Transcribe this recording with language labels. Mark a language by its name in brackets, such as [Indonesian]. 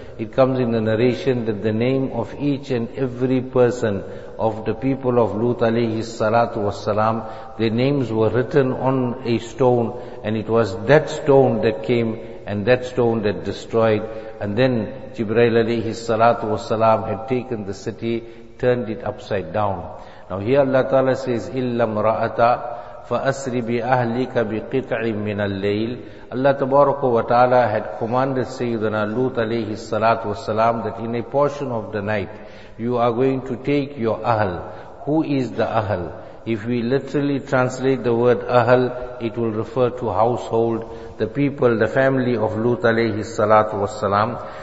[English] It comes in the narration that the name of each and every person of the people of Lut alayhi salatu wassalam, their names were written on a stone, and it was that stone that came and that stone that destroyed. And then Jibreel alayhi salatu wassalam had taken the city, turned it upside down. Now here Allah Ta'ala says, [Arabic] إِلَّمْ رَأَتَا فَأَسْرِ بِأَهْلِكَ بِقِطْعٍ مِّنَ اللَّيْلِ. [English] Allah tabaraka wa ta'ala had commanded Sayyidina Lut alayhi salatu wassalam that in a portion of the night, you are going to take your ahl. Who is the ahl? If we literally translate the word ahl, it will refer to household, the people, the family of Lut alayhi salatu wassalam.